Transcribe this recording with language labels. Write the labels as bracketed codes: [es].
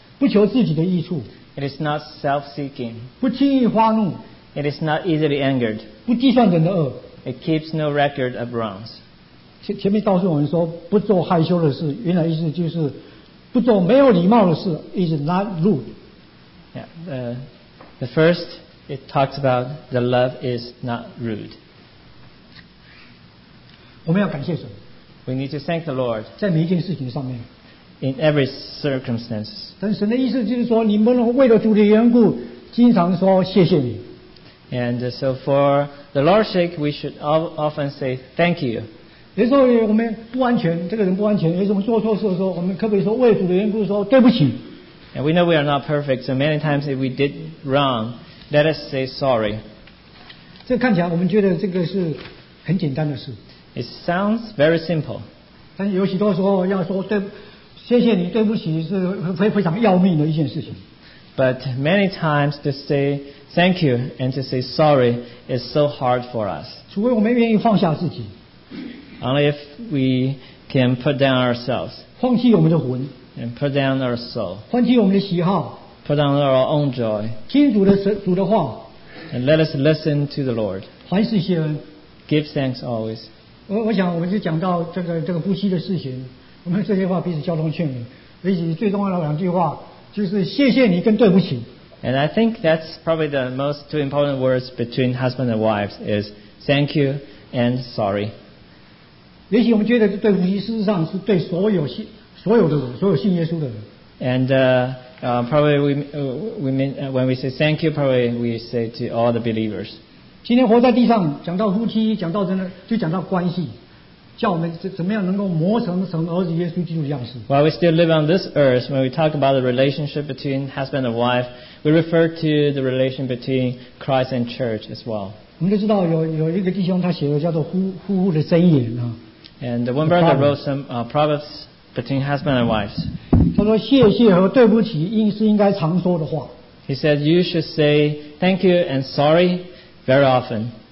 [zh] 不求自己的益处。 [en] It is not self-seeking. [zh] 不轻易发怒。 [en] It is not easily angered. [zh] 不计算人的恶。 [en] It keeps no record of wrongs. [zh] 前面告诉我们说，不做害羞的事，原来意思就是不做没有礼貌的事。 [en] It is not rude. Yeah. The first it talks about the love is not rude. [zh] 我们要感谢神。 [en] We need to thank the Lord. [zh] 在每一件事情上面。 [en] In every circumstance. [zh] 但神的意思就是说，你们为了主的缘故，经常说谢谢你。 [en] And so for the Lord's sake, we should often say thank you. [zh] 有时候我们不安全，这个人不安全，有什么做错事的时候，我们可不可以说为主的缘故说对不起 [en] ？And we know we are not perfect, so many times if we did wrong, let us say sorry. [zh] 这看起来我们觉得这个是很简单的事。 [en] It sounds very simple. [zh] 但有许多时候要说对，谢谢你，对不起是非常要命的一件事情。 [en] But many times to say thank you and to say sorry is so hard for us. [zh] 除非我们愿意放下自己。 [en] Only if we can put down ourselves. [zh] 放弃我们的魂。 [en] And put down our soul. [zh] 放弃我们的喜好。 [en] Put down our own joy. [zh] 听主的主的话。 [en] And let us listen to the Lord. [zh] 凡事谢恩。 [en] Give thanks always. [zh] 我想我们就讲到这个呼吸的事情。我们这些话彼此交通劝勉。彼此最重要的两句话就是谢谢你跟对不起。 [en] And I think that's probably the most two important words between husband and wives is thank you and sorry. [zh] 也许我们觉得对夫妻，事实上是对所有的人，所有信耶稣的人。 [en] And probably when we say thank you, probably we say to all the believers. [zh] 今天活在地上，讲到夫妻，讲到真的，就讲到关系。叫我们怎么样能够磨成神儿子耶稣基督的样式。 [en] While we still live on this earth, when we talk about the relationship between husband and wife, we refer to the relation between Christ and church as well. [zh] 我们都知道有一个弟兄他写的叫做夫妇的箴言啊。 [en] And one brother wrote some proverbs between husband and wives. [zh] 他说谢谢和对不起应是应该常说的话。 [en] He said you should say thank you and sorry very often.